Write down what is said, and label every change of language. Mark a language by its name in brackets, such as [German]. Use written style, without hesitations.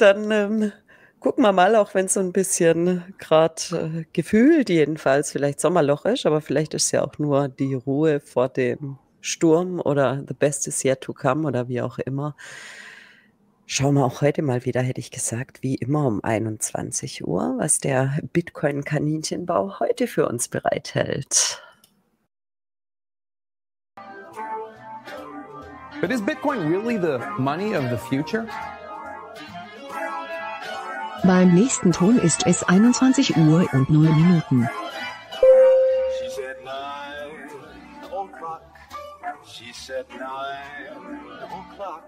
[German] Dann gucken wir mal, auch wenn es so ein bisschen gerade gefühlt jedenfalls vielleicht Sommerloch ist, aber vielleicht ist ja auch nur die Ruhe vor dem Sturm oder [English] the best is yet to come [German] oder wie auch immer. Schauen wir auch heute mal wieder, hätte ich gesagt, wie immer um 21 Uhr, was der Bitcoin-Kaninchenbau heute für uns bereithält. [English] But is Bitcoin really the money of the future? [German] Beim nächsten Ton ist es 21 Uhr und 0 Minuten. [English] She said nine, the old clock. She said nine, the old clock.